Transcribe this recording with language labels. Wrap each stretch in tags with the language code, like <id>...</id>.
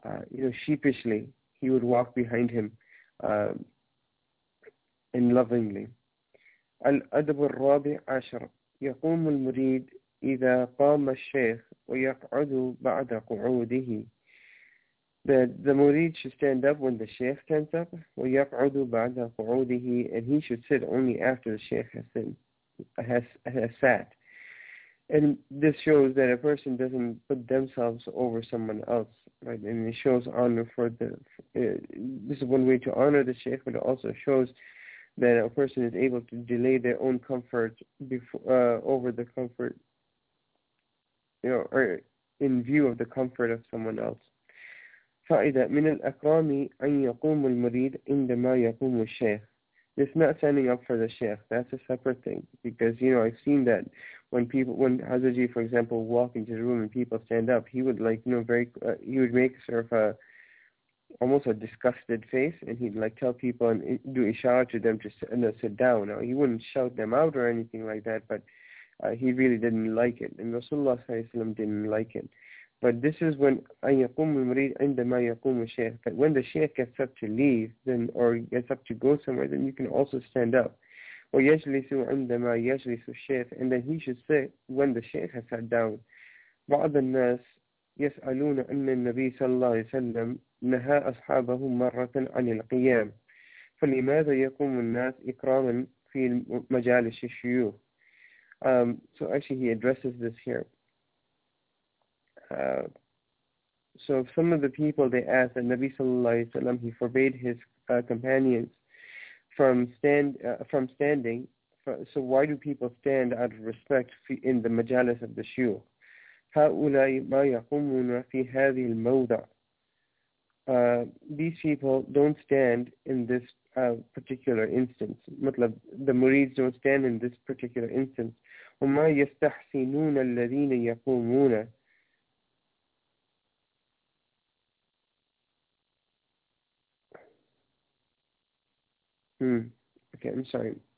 <en>You know, sheepishly he would walk behind him, and lovingly.</en> <ar>الأدب الرابع عشر يقوم المريد إذا قام الشيخ ويقعد بعد قعوده.</ar> <en>The murid should stand up when the sheikh stands up.</en> <ar>وَيَقْعُدُ بَعْدَ قُعُودِهِ</ar> <en>And he should sit only after the sheikh has sat. And this shows that a person doesn't put themselves over someone else. Right? And it shows honor for the... this is one way to honor the sheikh, but it also shows that a person is able to delay their own comfort over the comfort, you know, or in view of the comfort of someone else.</en> <ar>فَإِذَا مِنَ الْأَكْرَامِ أَنْ يَقُومُ الْمُرِيدُ عِنْدَمَا يَقُومُ الشَّيْخِ</ar> <en>It's not standing up for the sheikh. That's a separate thing. Because, you know, I've seen that when Hazaji, for example, walk into the room and people stand up, he would, like, you know, very, he would make sort of a, almost a disgusted face, and he'd, like, tell people and do ishara to them to sit, and then sit down. Now, he wouldn't shout them out or anything like that, but he really didn't like it. And Rasulullah Sallallahu Alaihi Wasallam didn't like it. But this is when</en> <ar>أَيَقُومُ الْمُرِيدُ عِنْدَمَا يَقُومُ الشَّيْخُ</ar> <en>That when the sheikh gets up to leave, then or gets up to go somewhere, then you can also stand up.</en> <ar>وَيَجْلِسُ عِنْدَمَا يَجْلِسُ الشَّيْخُ</ar> <en>And then he should sit when the sheikh has sat down.</en> <ar>بَعْضَ النَّاسِ يَسْأَلُونَ أَنَّ النَّبِيَّ صَلَّى اللَّهُ عَلَيْهِ وَسَلَّمَ نَهَى أَصْحَابَهُ مَرَّةً عَنِ الْقِيَامِ فَلِمَاذَا يَقُومُ النَّاسُ إِكْرَامًا فِي مَجَالِسِ الشُّيُوخِ</ar> <en>So actually, he addresses this here. So some of the people, they asked that Nabi Sallallahu Alaihi Wasallam, he forbade his companions from standing. So why do people stand out of respect in the majalis of the shuyukh?</en> <ar>هَؤُلَاءِ مَا يَقُومُونَ فِي هَذِي الْمَوْضَعِ</ar> <en>These people don't stand in this particular instance. مطلب, the murids don't stand in this particular instance.</en> <ar>وَمَا يَسْتَحْسِنُونَ الَّذِينَ يَقُومُونَ</ar> <en>Okay, I'm sorry.</en>